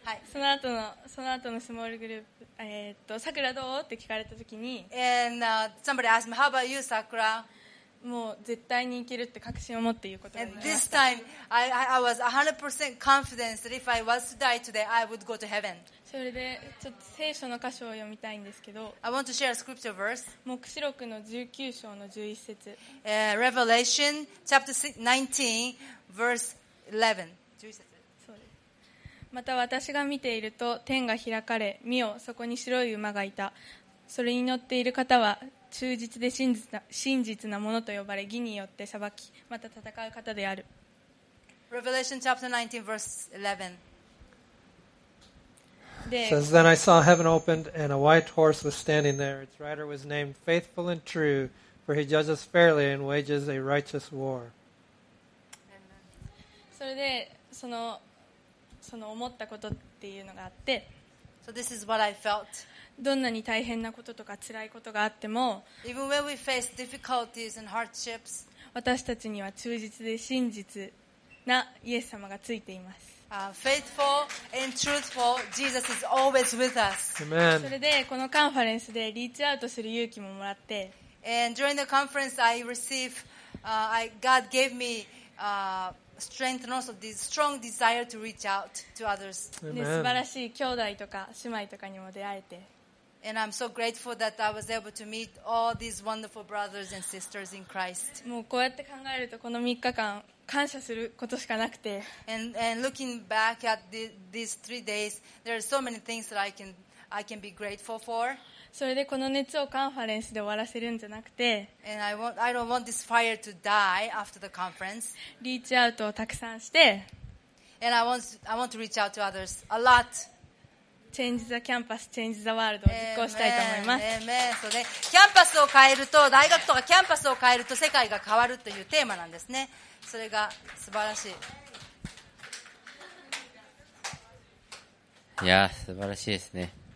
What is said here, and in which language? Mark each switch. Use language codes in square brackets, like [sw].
[ja] その後の、その後のスモールグループ、さくらどうって聞かれたときに、 [en] And, somebody asked me, how about you, Sakura? [ja] もう絶対に行けるって確信を持って言うことになりました。 [en] And this time, I was 100% confident that if I was to die today, I would go to heaven. [ja] それでちょっと聖書の箇所を読みたいんですけど、 [en] I want to share a scripture verse. [ja] 黙示録の19章の11節、 [en] Revelation chapter 19, verse 11. [ja] また私が見ていると天が開かれ、見よ、そこに白い馬がいた。それに乗っている方は忠実で真実なものと呼ばれ、義によって裁き、また戦う方である。 [en] Revelation chapter 19 verse 11 says, Then I saw heaven opened, and a white horse was standing there. Its rider was named Faithful and True, for he judges fairly and wages a righteous war. [ja] それで、そのその思ったことっていうのがあって、 [en] so、this is what I felt. [ja] どんなに大変なこととか辛いことがあっても、 [en] Even when we face difficulties and hardships, [ja] 私たちには忠実で真実なイエス様がついています。 [en] Faithful and truthful, Jesus is always with us. Amen. [ja] それでこのカンファレンスでリーチアウトする勇気ももらって、 [en] And during the conference, I received, God gave me strength and also this strong desire to reach out to others. Amen. [ja] 素晴らしい兄弟とか姉妹とかにも出会えて、 [en] And I'm so grateful that I was able to meet all these wonderful brothers and sisters in Christ. [ja] もうこうやって考えるとこの3日間。感謝することしかなくて、 [en] and looking back at these three days, there are so many things that I can be grateful for. [ja] それでこの熱をカンファレンスで終わらせるんじゃなくて、 [en] and I don't want this fire to die after the conference. [ja] リーチアウトをたくさんして、 [en] and I want to reach out to others a lot. Change the campus, change the world [ja] を実行したいと思います。 [en] Amen. [ja] そうね、キャンパスを変えると大学とかキャンパスを変えると世界が変わるというテーマなんですね。それが素晴らしい。いや素晴らしいですね。